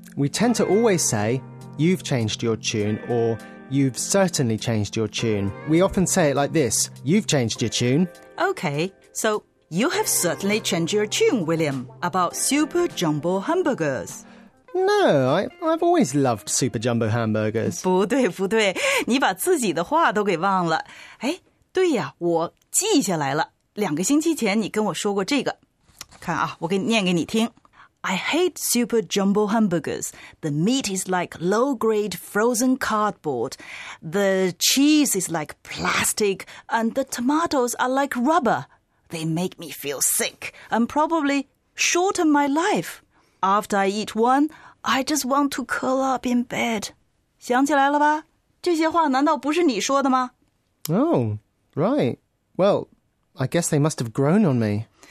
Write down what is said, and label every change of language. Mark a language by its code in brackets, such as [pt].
[en] We tend to always say, you've changed your tune, or you've certainly changed your tune. We often say it like this, you've changed your tune. Okay, so... You have certainly changed your tune, William, about super jumbo hamburgers. No, I've always loved super jumbo hamburgers. [zh] 不对，不对，你把自己的话都给忘了。哎，对呀，我记下来了。两个星期前你跟我说过这个。看啊，我给你念给你听。 [en] I hate super jumbo hamburgers. The meat is like low-grade frozen cardboard. The cheese is like plastic. And the tomatoes are like rubber. They make me feel sick and probably shorten my life. After I eat one, I just want to curl up in bed. [zh] 想起来了吧？这些话难道不是你说的吗？ [en] Oh, right. Well, I guess they must have grown on me.